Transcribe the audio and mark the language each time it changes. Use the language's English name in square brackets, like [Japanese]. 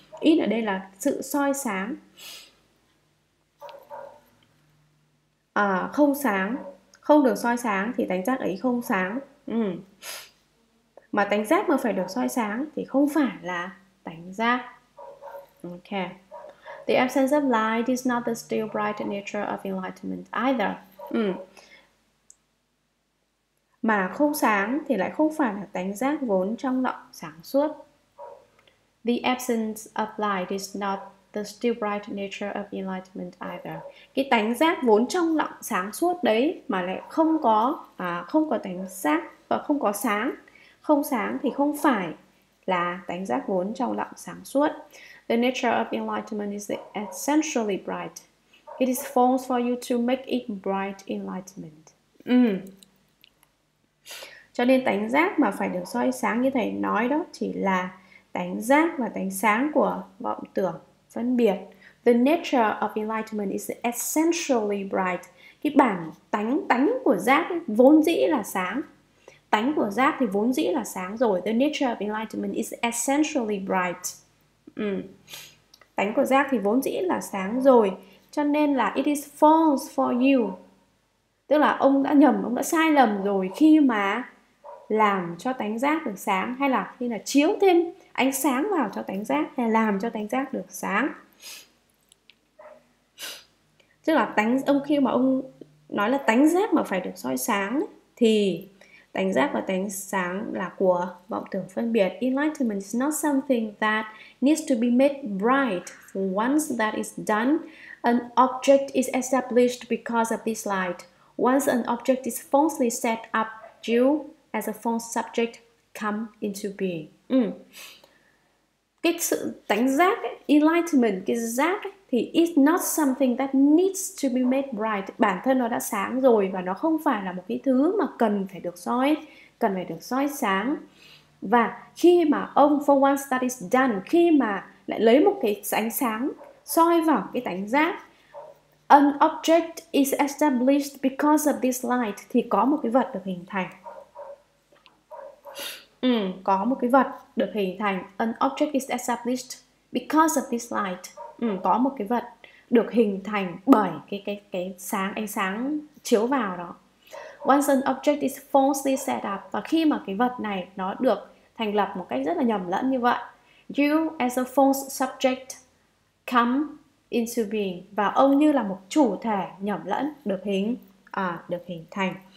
[Vietnamese] It ở đây là sự soi sáng. Không sáng. Không được soi sáng thì tánh giác ấy không sáng. Mà tánh giác mà phải được soi sáng thì không phải là tánh giác. [English] Okay. The absence of light is not the still bright nature of enlightenment either. [Vietnamese] Mà không sáng thì lại không phải là tánh giác vốn trong lặng sáng suốt. [English] The absence of light is not the still bright nature of enlightenment either. [Vietnamese] Cái tánh giác vốn trong lặng sáng suốt đấy mà lại không có không có tánh giác và không có sáng. Không sáng thì không phải là tánh giác vốn trong lặng sáng suốt. [English] The nature of enlightenment is essentially bright. It is false for you to make it bright enlightenment. [Vietnamese] Cho nên tánh giác mà phải được soi sáng như thầy nói đó chỉ là tánh giác và tánh sáng của vọng tưởng phân biệt. [English] The nature of enlightenment is essentially bright. [Vietnamese] Cái bản tánh tánh của giác vốn dĩ là sáng. Tánh của giác thì vốn dĩ là sáng rồi. [English] The nature of enlightenment is essentially bright. [Vietnamese] Tánh của giác thì vốn dĩ là sáng rồi. Cho nên là [English] it is false for you. [Vietnamese] Tức là ông đã nhầm, ông đã sai lầm rồi khi mà làm cho tánh giác được sáng, hay là khi là chiếu thêm ánh sáng vào cho tánh giác, hay là làm cho tánh giác được sáng. Tức là tánh ông khi mà ông nói là tánh giác mà phải được soi sáng thì tánh giác và tánh sáng là của vọng tưởng phân biệt. [English] Enlightenment is not something that needs to be made bright. Once that is done, an object is established because of this light. Once an object is falsely set up, you as a false subject come into being. [Vietnamese] Cái sự tánh giác, [English] enlightenment, [Vietnamese] cái giác thì [English] is not something that needs to be made bright. [Vietnamese] Bản thân nó đã sáng rồi và nó không phải là một cái thứ mà cần phải được soi, cần phải được soi sáng. Và khi mà ông, [English] for once that is done, [Vietnamese] khi mà lại lấy một cái ánh sáng soi vào cái tánh giác, [English] an object is established because of this light, [Vietnamese] thì có một cái vật được hình thành. Có một cái vật được hình thành. [English] An object is established because of this light. [Vietnamese] Có một cái vật được hình thành bởi cái sáng, ánh sáng chiếu vào đó. [English] Once an object is falsely set up, [Vietnamese] và khi mà cái vật này nó được thành lập một cách rất là nhầm lẫn như vậy, [English] you as a false subject come into being, [Vietnamese] và ông như là một chủ thể nhầm lẫn được hình thành.